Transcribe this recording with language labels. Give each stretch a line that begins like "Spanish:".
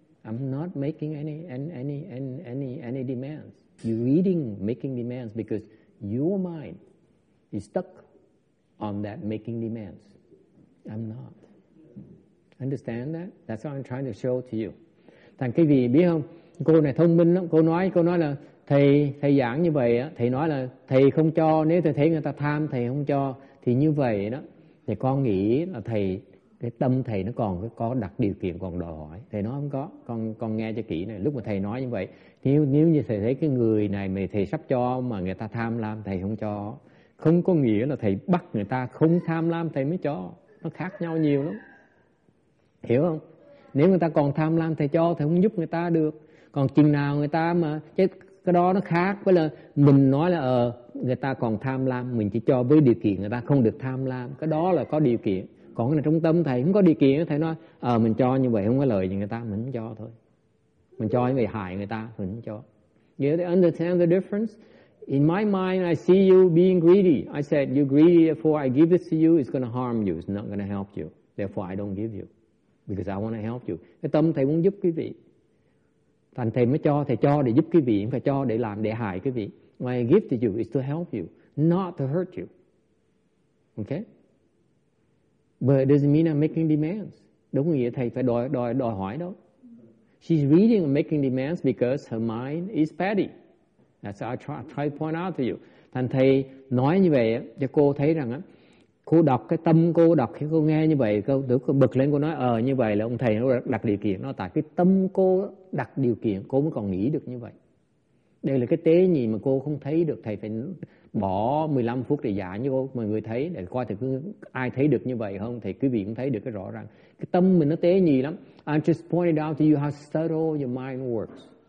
English: I'm not making any demands. You're reading, making demands, because your mind is stuck on that making demands. I'm not. Understand that? That's what I'm trying to show to you.
Vietnamese: Thằng cái gì biết không? Cô này thông minh lắm. Cô nói là thầy giảng như vậy á. Thầy nói là thầy không cho. Nếu thầy thấy người ta tham, thầy không cho. Thì như vậy đó. Thì con nghĩ là thầy, cái tâm thầy nó còn có đặt điều kiện, còn đòi hỏi. Thầy nói không có. Con nghe cho kỹ này. Lúc mà thầy nói như vậy, nếu như thầy thấy cái người này mà thầy sắp cho mà người ta tham lam, thầy không cho. Không có nghĩa là thầy bắt người ta không tham lam thầy mới cho. Nó khác nhau nhiều lắm. Hiểu không? Nếu người ta còn tham lam thầy cho, thầy không giúp người ta được. Còn chừng nào người ta mà chết, cái đó nó khác với là mình nói là người ta còn tham lam, mình chỉ cho với điều kiện người ta không được tham lam. Cái đó là có điều kiện. Còn cái này trong tâm thầy không có điều kiện, thầy nói mình cho như vậy không có lợi gì người ta, mình không cho thôi. Mình cho như vậy hại người ta, mình không cho.
English: You understand the difference? In my mind, I see you being greedy. I said, you're greedy, therefore I give this to you, it's going to harm you, it's not going to help you. Therefore, I don't give you, because I want to help you.
Vietnamese: Cái tâm thầy muốn giúp quý vị. Thành thầy mới cho, thầy cho để giúp quý vị, không phải cho để làm, để hại quý vị.
English: My gift to you is to help you, not to hurt you. Okay? But it doesn't mean I'm making demands.
Vietnamese: Đúng nghĩa thầy phải đòi hỏi đâu.
English: She's reading and making demands because her mind is petty. That's what I try to point out to you.
Vietnamese: Thành thầy nói như vậy cho cô thấy rằng á, cô đọc cái tâm cô đọc khi cô nghe như vậy, cô bực lên cô nói ờ như vậy là ông thầy nó đặt điều kiện, nó tại cái tâm cô đặt điều kiện cô mới còn nghĩ được như vậy. Đây là cái tế nhị mà cô không thấy được, thầy phải bỏ 15 phút để giảng cho cô, mọi người thấy để coi thử ai thấy được như vậy không, thì quý vị cũng thấy được cái rõ ràng. Cái tâm mình nó tế nhị lắm.
English: I just pointed out to you how subtle your mind works.